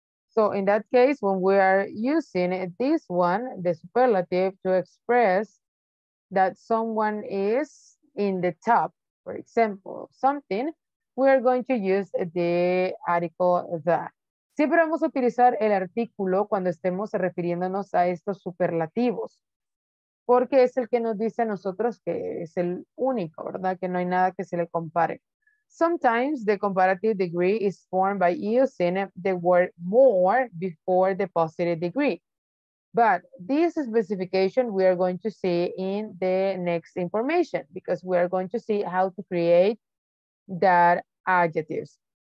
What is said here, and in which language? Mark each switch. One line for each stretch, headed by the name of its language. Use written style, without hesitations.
English: So in that case, when we are using this one, the superlative, to express that someone is in the top, for example, something, we are going to use the article the.
Spanish: Siempre vamos a utilizar el artículo cuando estemos refiriéndonos a estos superlativos, porque es el que nos dice a nosotros que es el único, ¿verdad? Que no hay nada que se le compare.
English: Sometimes the comparative degree is formed by using the word more before the positive degree. But this specification we are going to see in the next information, because we are going to see how to create that adjectives.